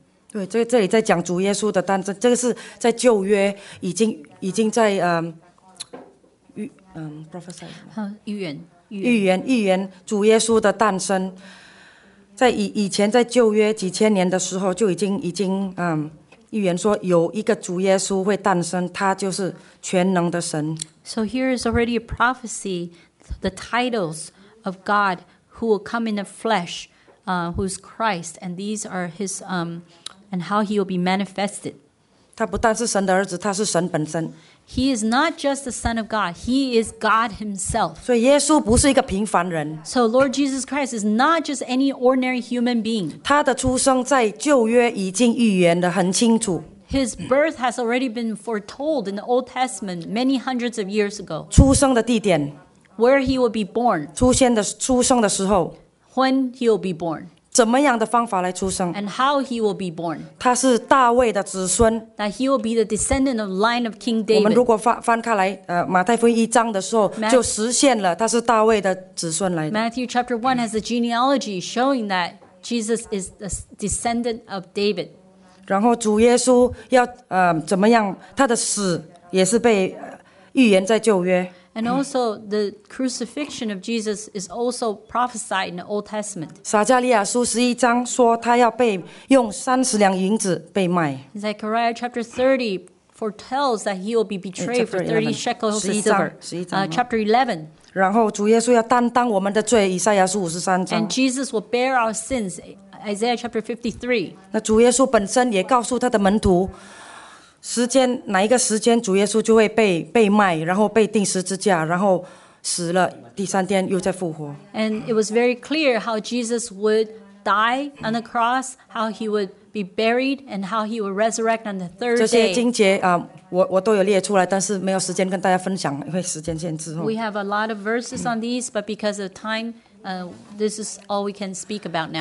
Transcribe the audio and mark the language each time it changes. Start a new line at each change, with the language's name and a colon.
Chinese: 对，这里在讲主耶稣的诞生，这个是在旧约已经在prophesy 预言主耶稣的诞生，在以前在旧约几千年的时候就已经预言说有一个主耶稣会诞生，他就是全能的神。
English: So here is already a prophecy, the titles of God who will come in the flesh, who's Christ, and these are his and how he will be manifested.
Chinese: 他不但是神的儿子，他是神本身。
English: He is not just the Son of God, he is God himself.
Chinese: 所以耶稣不是一个平凡人。
English: So Lord Jesus Christ is not just any ordinary human being.
Chinese: 他的出生在旧约已经预言得很清楚。
English: His birth has already been foretold in the Old Testament many hundreds of years ago.
Chinese: 出生的地点。
English: Where he will be born.
Chinese: 出生的时候。
English: When he will be born.
Chinese: 怎么样的方法来出生
English: ？And how he will be born？
Chinese: 他是大卫的子孙。
English: That he will be the descendant of line of King David。
Chinese: 我们如果翻开来，马太福音一章的时候，就实现了他是大卫的子孙来的。
English: Matthew chapter 1 has a genealogy showing that Jesus is the descendant of David。
Chinese: 然后主耶稣要怎么样？他的死也是被预言在旧约。
English: And also, the crucifixion of Jesus is also prophesied in the Old Testament.
Chinese: 撒迦利亚书十一章说他要被用三十两银子被卖。
English: Zechariah chapter 30 foretells that he will be betrayed for 30 shekels of silver. Chapter 11.
Chinese: 然后主耶稣要担当我们的罪，以赛亚书五十三章。
English: And Jesus will bear our sins, Isaiah chapter 53.
Chinese: 那主耶稣本身也告诉他的门徒。时间哪一个时间，主耶稣就会被卖，然后被钉十字架，然后死了，第三天又再复活。
English: And it was very clear how Jesus would die on the cross, how he would be buried, and how he would resurrect on the third day.
Chinese: 这些经节啊，我都有列出来，但是没有时间跟大家分享，因为时间限制。
English: We have a lot of verses on these, but because of time, this is all we can speak about now.